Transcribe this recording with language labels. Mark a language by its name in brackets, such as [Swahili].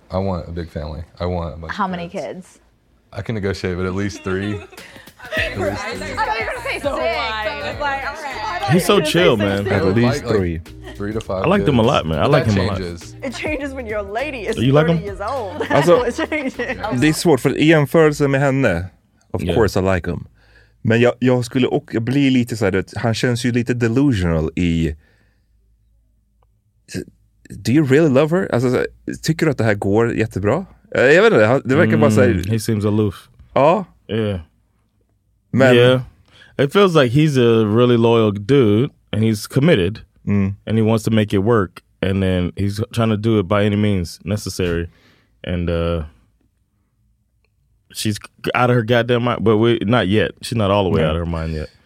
[English] I want a big family. I want a bunch How of many kids? I can negotiate, but at least three. He's so chill, man. At least three. Like, 3 to 5. I like them a lot, man. I like him a lot. It changes when your lady is 30 years old. Also, it changes. [Swedish] Det är svårt, för i jämförelse med henne, [English] of course I like him. [Swedish] Men jag skulle också bli lite så här, han känns ju lite delusional i... [English] Do you really love her? [Swedish] Alltså, tycker du att det här går jättebra? Jag vet inte, det verkar bara så här... [English] He seems aloof. [Swedish] Ja. [English] Yeah. Man. Yeah, it feels like he's a really loyal dude and he's committed and he wants to make it work, and then he's trying to do it by any means necessary, and she's out of her goddamn mind, but she's not all the way out of her mind yet.